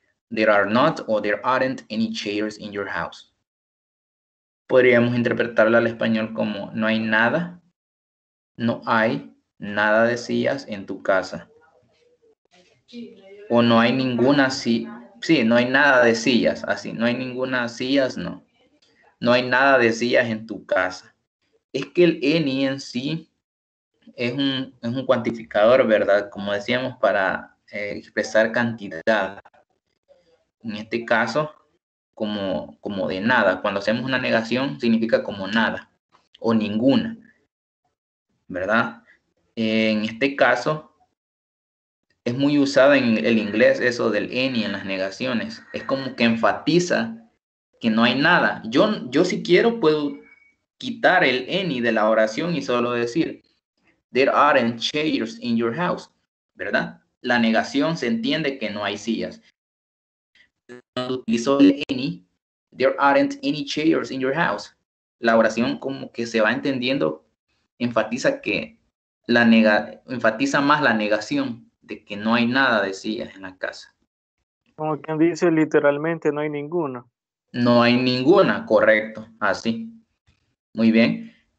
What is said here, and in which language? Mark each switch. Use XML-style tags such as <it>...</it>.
<en>There are not or there aren't any chairs in your house.</en> <es>Podríamos interpretarla al español como no hay nada. No hay nada de sillas en tu casa. O no hay ninguna silla. Sí, no hay nada de sillas. Así, no hay ninguna sillas, no. No hay nada de sillas en tu casa. Es que el any en sí es un cuantificador, ¿verdad? Como decíamos, para expresar cantidad. En este caso, como de nada. Cuando hacemos una negación, significa como nada o ninguna. ¿Verdad? En este caso, es muy usada en el inglés eso del any en las negaciones. Es como que enfatiza que no hay nada. Yo si quiero, puedo quitar el any de la oración y solo decir, there aren't chairs in your house. ¿Verdad? La negación se entiende que no hay sillas.</es> <en>Cuando utilizo el any, there aren't any chairs in your house.</en> <es>La oración como que se va entendiendo, enfatiza que enfatiza más la negación de que no hay nada de sillas en la casa. Como quien dice literalmente no hay ninguna. No hay ninguna, correcto, así. Muy bien.</es>